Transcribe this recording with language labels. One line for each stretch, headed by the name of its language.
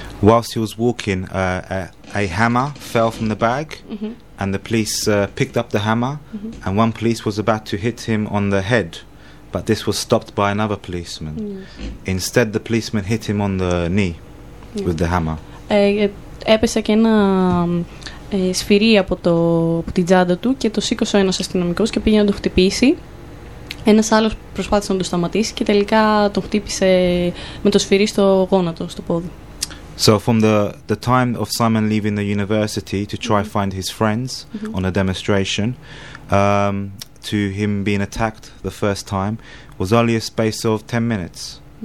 English: Whilst he was walking, a hammer fell from the bag and the police picked up the hammer and one police was about to hit him on the head. But this was stopped by another policeman. Yes. Instead, the policeman hit him on the knee with the hammer.
Greek: Έπεσε και ένα σφυρί από την τσάντα του και το σήκωσε ο ένας αστυνομικός και πήγε να το χτυπήσει. Ένας άλλος προσπάθησε να το σταματήσει και τελικά τον χτύπησε με το σφυρί στο γόνατο, στο πόδι.
English: So from the time of Simon leaving the university to try find his friends on a demonstration, to him being attacked the first time was only a space of 10 minutes.